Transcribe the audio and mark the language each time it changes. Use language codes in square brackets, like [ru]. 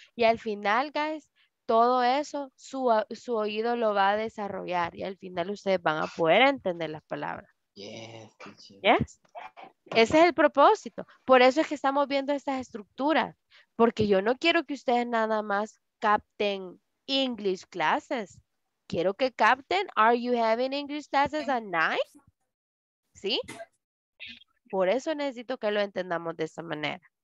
[es] Y al final, guys, todo eso, su oído lo va a desarrollar. Y al final ustedes van a poder entender las palabras. [en] Yes. [es] Ese es el propósito. Por eso es que estamos viendo estas estructuras. Porque yo no quiero que ustedes nada más capten English classes. Quiero que capten, [en] are you having English classes at night? [es] ¿Sí? Por eso necesito que lo entendamos de esa manera.